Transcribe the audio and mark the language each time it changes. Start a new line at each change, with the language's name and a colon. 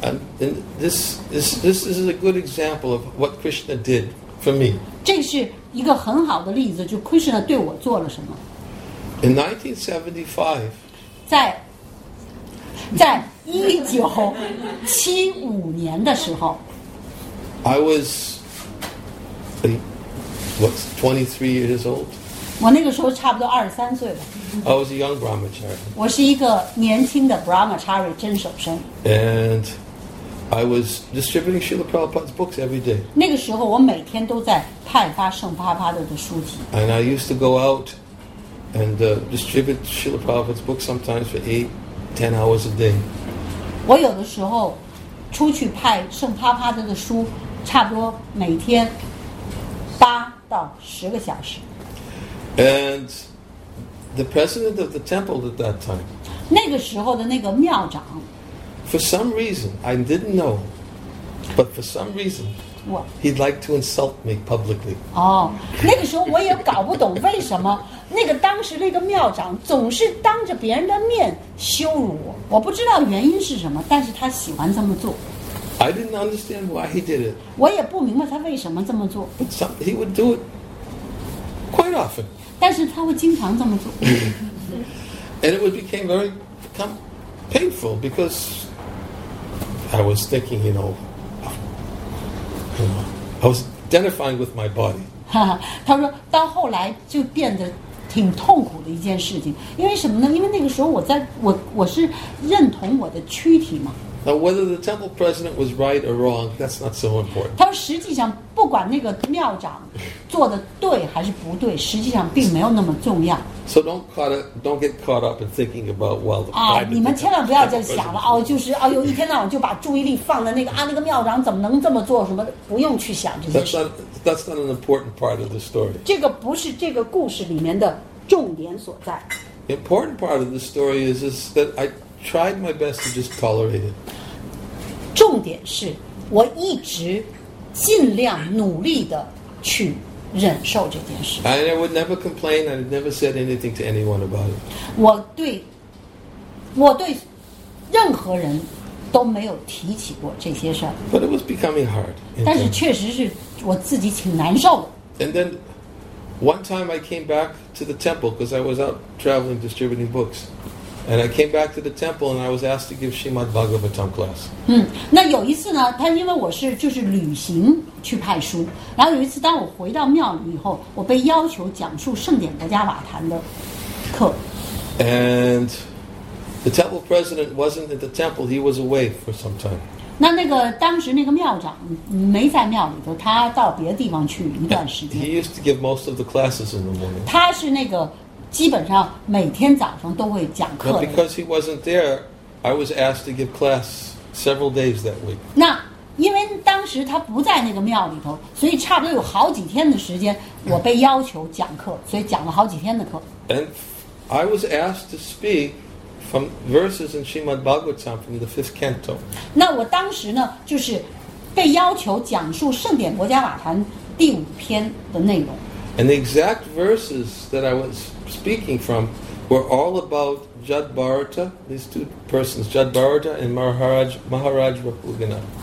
English: And this is a good example of what Krishna did for me.
Chinese: 这是一个很好的例子，就 Krishna 对我做了什么。
English: In 1975,
Chinese: 在1975年的时候
English: ，I was what 23 years old.
Chinese: 我那个时候差不多23岁吧。
English: I was a young brahmachari.
Chinese: 我是一个年轻的 brahmachari 真守生。
English: And I was distributing Srila Prabhupada's books every day.
Chinese: 那个时候我每天都在派发圣帕帕的书籍。
English: And I used to go out. And distribute Srila Prabhupada's books sometimes for 8-10 hours a day.
Chinese: 我有的时候出去派圣帕帕德的书，差不多每天8到10个小时。
English: And the president of the temple at that time.
Chinese: 那个时候的那个庙长。
English: For some reason, I didn't know, but for some reason, He'd like to insult me publicly.
Chinese: 哦，那个时候我也搞不懂为什么那个当时那个庙长总是当着别人的面羞辱我。我不知道原因是什么，但是他喜欢这么做。
English: I didn't understand why he did it.
Chinese: 我也不明白他为什么这么做。
English: But some, he would do it quite often.
Chinese: 但是他会经常这么做。
English: And it became very painful because I was thinking, you know. I was identifying with my body.
Chinese: 他说到后来就变得挺痛苦的一件事情，因为什么呢？因为那个时候我是认同我的躯体嘛。
English: Now whether the temple president was right or wrong, that's not so important.
Chinese: 他说实际上不管那个庙长做的对还是不对，实际上并没有那么重要。
English: So don't get caught up in thinking about well.
Chinese: 啊，你们千万不要再想了哦，就是哎呦，一天到晚就把注意力放在那个啊，那个庙长怎么能这么做？什么不用去想这些事。
English: That's not an important part of the story.
Chinese: 这个不是这个故事里面的重点所在。
English: The important part of the story is that I tried my best to just tolerate it.
Chinese: 重点是我一直尽量努力的去。忍受这件事。
English: And I would never complain. I never said anything to anyone about it.
Chinese: 我对任何人都没有提起过这些事。
English: But it was becoming hard.
Chinese: 但是确实是我自己挺难受的。
English: And then one time I came back to the temple because I was out traveling distributing books, and I came back to the temple and I was asked to give Srimad Bhagavatam class.
Chinese: 那有一次呢，他因为我是就是旅行。去派书，然后有一次，当我回到庙里以后，我被要求讲述圣典伯加瓦坛的课。
English: And the temple president wasn't at the temple; he was away for some time.
Chinese: 那个当时那个庙长没在庙里头，他到别的地方去一段时间。
English: He used to give most of the classes in the morning.
Chinese: 他是那个基本上每天早上都会讲课。
English: But because he wasn't there, I was asked to give class several days that week.
Chinese: 那因为当时他不在那个庙里头，所以差不多有好几天的时间，我被要求讲课，所以讲了好几天的课。
English: And I was asked to speak from verses in Srimad Bhagavatam from the fifth canto.
Chinese: 那我当时呢，就是被要求讲述《圣典伯加瓦坛》第五篇的内容。
English: And the exact verses that I was speaking from were all about Jad Bharata, these two persons, Jad Bharata and Maharaj Rupugana.